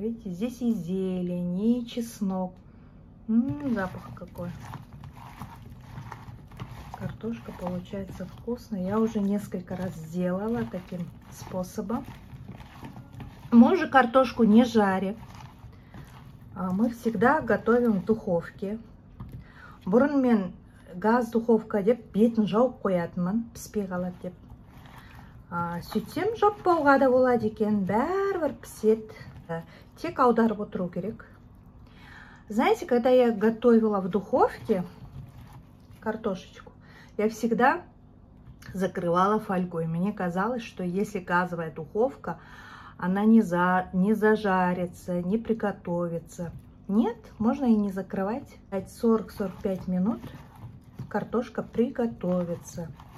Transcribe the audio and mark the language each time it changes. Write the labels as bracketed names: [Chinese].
[Russian] Видите, здесь и зелень, и чеснок. Запах какой. Картошка получается вкусная. Я уже несколько раз сделала таким способом. Мы уже картошку не жарим. Мы всегда готовим в духовке. [Kazakh] Бұрын мен газ духовка деп бетін жауып қоятынмын. Піспей қалады деп. Сөйтсем жаппауға да болады екен. Бәрібір пісет. Тек аударып отыру керек. [Russian] Знаете, когда я готовила в духовке картошечку, я всегда закрывала фольгой. Мне казалось, что если газовая духовка, она не зажарится, не приготовится. Нет, можно и не закрывать. 40-45 минут картошка приготовится.